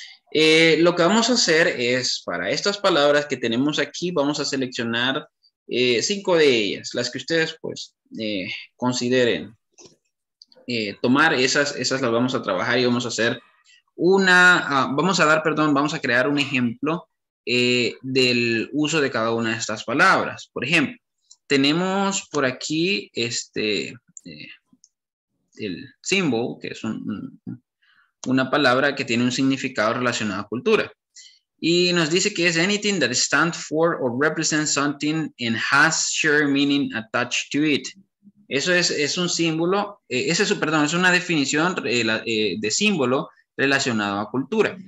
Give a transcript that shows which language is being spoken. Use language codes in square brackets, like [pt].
[es] Lo que vamos a hacer es, para estas palabras que tenemos aquí, vamos a seleccionar 5 de ellas, las que ustedes pues consideren tomar, esas las vamos a trabajar y vamos a hacer una, vamos a crear un ejemplo del uso de cada una de estas palabras. Por ejemplo, tenemos por aquí el símbolo, que es una palabra que tiene un significado relacionado a cultura. Y nos dice que es [en] anything that stands for or represents something and has shared meaning attached to it. [es] Eso es un símbolo, es una definición de símbolo relacionado a cultura.